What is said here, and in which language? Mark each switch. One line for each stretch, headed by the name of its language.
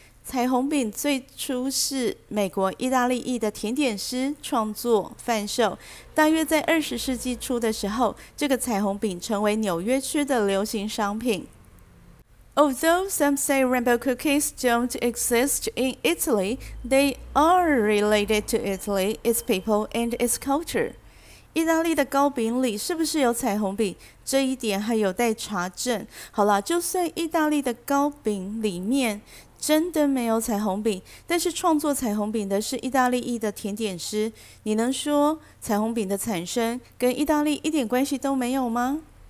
Chinese: 彩虹饼最初是美国意大利裔的甜点师创作贩售，大约在20世纪初的时候，这个彩虹饼成为纽约区的流行商品。
English: Although some say rainbow cookies don't exist in Italy, they are related to Italy, its people, and its culture.
Chinese: 意大利的糕饼里是不是有彩虹饼？这一点还有待查证。好了，就算意大利的糕饼里面真的没有彩虹饼，但是创作彩虹饼的是意大利裔的甜点师，你能说彩虹饼的产生跟意大利一点关系都没有吗？